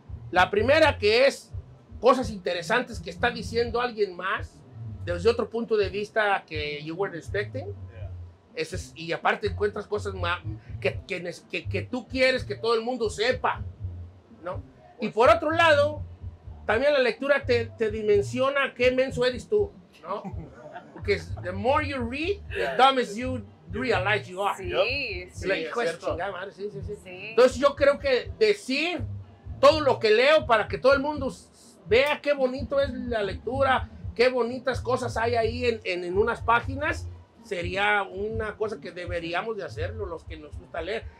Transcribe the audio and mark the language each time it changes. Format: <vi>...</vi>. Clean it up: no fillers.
<es>La primera, que es cosas interesantes que está diciendo alguien más desde otro punto de vista que</es> <en>you weren't expecting.</en> <es>Eso es, y aparte encuentras cosas más que tú quieres que todo el mundo sepa, ¿no? Y por otro lado, también la lectura te dimensiona qué menso eres tú, ¿no? Porque</es> <en>the more you read, the dumbest you realize you are.</en> <es>Sí, ¿no? Sí, like, es cierto. Sí. Entonces yo creo que decir todo lo que leo para que todo el mundo vea qué bonito es la lectura, qué bonitas cosas hay ahí en unas páginas, sería una cosa que deberíamos de hacerlo los que nos gusta leer.</es>